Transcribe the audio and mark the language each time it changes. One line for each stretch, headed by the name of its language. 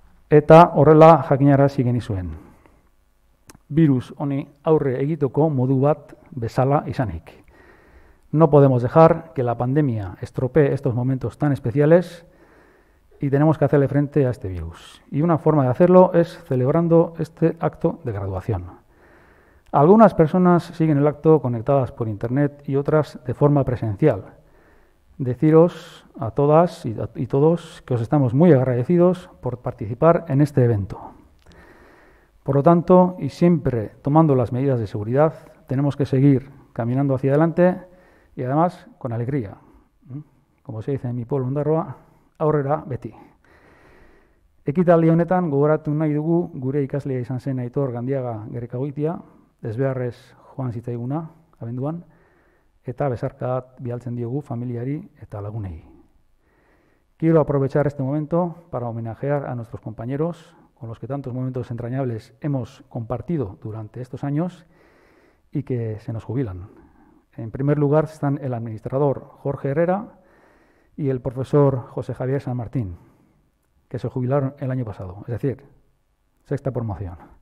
Basque: Eta horrela jakinarazi genizuen. Virus honi aurre egiteko modu bat bezala izanik.
Spanish: No podemos dejar que la pandemia estropee estos momentos tan especiales y tenemos que hacerle frente a este virus. Y una forma de hacerlo es celebrando este acto de graduación. Algunas personas siguen el acto conectadas por internet y otras de forma presencial. Deciros a todas y todos que os estamos muy agradecidos por participar en este evento. Por lo tanto, y siempre tomando las medidas de seguridad, tenemos que seguir caminando hacia adelante y además con alegría. Como se dice en mi pueblo, Ondarroa,
Basque: aurrera beti. Ekitaldi honetan gogoratu nahi dugu gure ikaslea izan zen Aitor Gandiaga Gerekagoitia, desbeharrez joan zitzaiguna abenduan, eta besarkadat bialtzen diogu familiari eta lagunei.
Spanish: Quiero aprovechar este momento para homenajear a nuestros compañeros con los que tantos momentos entrañables hemos compartido durante estos años y que se nos jubilan. En primer lugar están el administrador Jorge Herrera y el profesor José Javier San Martín, que se jubilaron el año pasado, es decir, sexta promoción.